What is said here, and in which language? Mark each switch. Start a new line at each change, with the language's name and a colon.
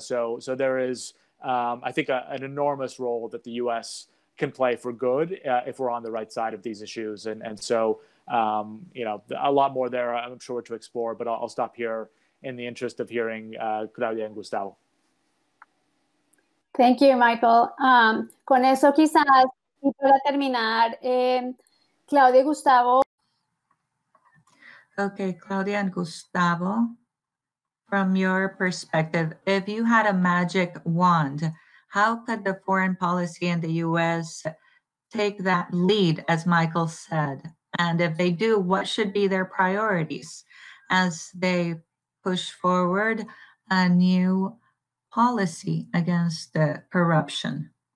English: So there is, I think, an enormous role that the U.S. can play for good if we're on the right side of these issues. And so, you know, a lot more there, I'm sure, to explore. But I'll stop here in the interest of hearing Claudia and Gustavo. Thank you, Michael.
Spanish: Con eso quizás, y para terminar, Claudia y Gustavo.
English: Okay, Claudia and Gustavo, from your perspective, if you had a magic wand, how could the foreign policy in the U.S. take that lead, as Michael said? And if they do, what should be their priorities as they push forward a new policy against the corruption?